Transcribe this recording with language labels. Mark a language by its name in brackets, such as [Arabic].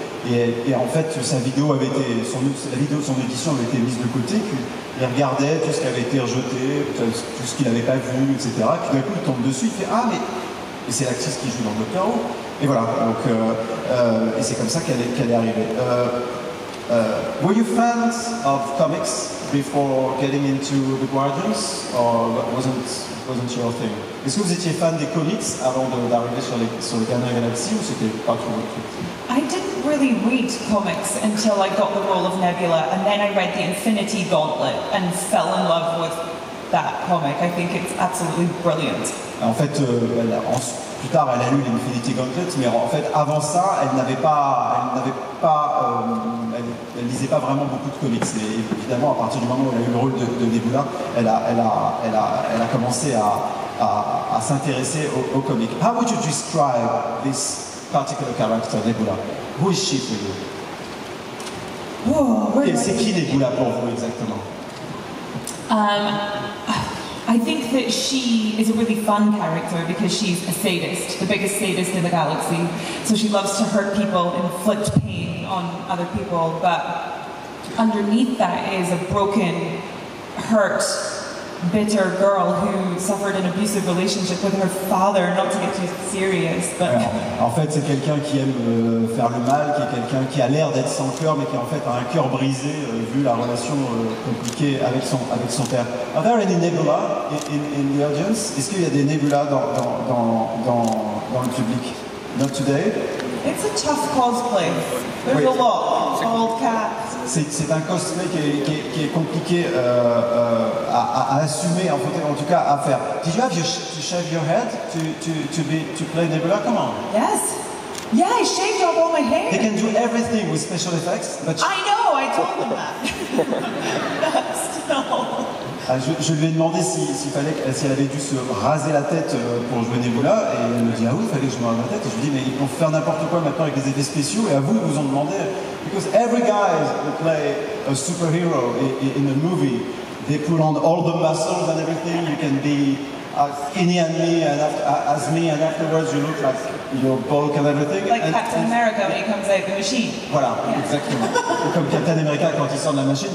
[French] Et en fait, la vidéo de son audition avait été mise de côté. Puis il regardait tout ce qui avait été rejeté, tout ce qu'il n'avait pas vu, etc. Puis d'un coup, il tombe dessus, il fait « Ah, mais c'est l'actrice qui joue dans Doctor Who !» Et voilà, donc, et c'est comme ça qu'elle est arrivée. [English] Were you fans of comics before getting into the Guardians, or wasn't your thing? [French] Est-ce que vous étiez fan des comics avant d'arriver sur les Gardiens de la Galaxie, ou c'était pas trop votre truc? [English] I didn't really read comics until I got the role of Nebula, and then I read the Infinity Gauntlet and fell in love with that comic. I think it's absolutely brilliant. [French] En fait, plus tard, elle a lu l'Infinity Gauntlet, mais en fait, avant ça, elle lisait pas vraiment beaucoup de comics. Et évidemment, à partir du moment où elle a eu le rôle de Nebula, elle a commencé à s'intéresser aux comics. [English] How would you describe this particular character, Nebula? Who is she for you? Oh, [French] et c'est qui Nebula pour vous exactement? [English] I think that she is a really fun character because she's a sadist, the biggest sadist in the galaxy. So she loves to hurt people, inflict pain on other people, but underneath that is a broken, hurt, bitter girl who suffered an abusive relationship with her father, not to get too serious, but... [French] En fait, c'est quelqu'un qui aime faire le mal, qui est quelqu'un qui a l'air d'être sans cœur, mais qui en fait a un cœur brisé, vu la relation compliquée avec son père. [English] Are there any nebula in the audience? [French] Est-ce qu'il y a des nebula dans le public? [English] Not today? It's a tough cosplay. There's a lot. Old cat. [French] C'est un cosplay qui est compliqué à assumer, en tout cas à faire. [English] Did you have to shave your head to play Nebula? Come on. Yes. Yeah, I shaved off all my hair. They can do everything with special effects, but I know. I told them that. Still. [French] Je lui ai demandé si elle avait dû se raser la tête pour jouer Nebula, et elle me dit ah oui, il fallait que je me rase la tête. Et je lui dis mais ils vont faire n'importe quoi maintenant avec des effets spéciaux, et à vous, ils vous ont demandé. [English] Because every guy who plays a superhero in a movie, they put on all the muscles and everything. You can be as skinny as me, and afterwards you look like your bulk and everything. Like Captain America when he comes out of the machine. [French] Voilà, [English] yeah. Exactly. [French] Comme Captain America quand il sort de la machine.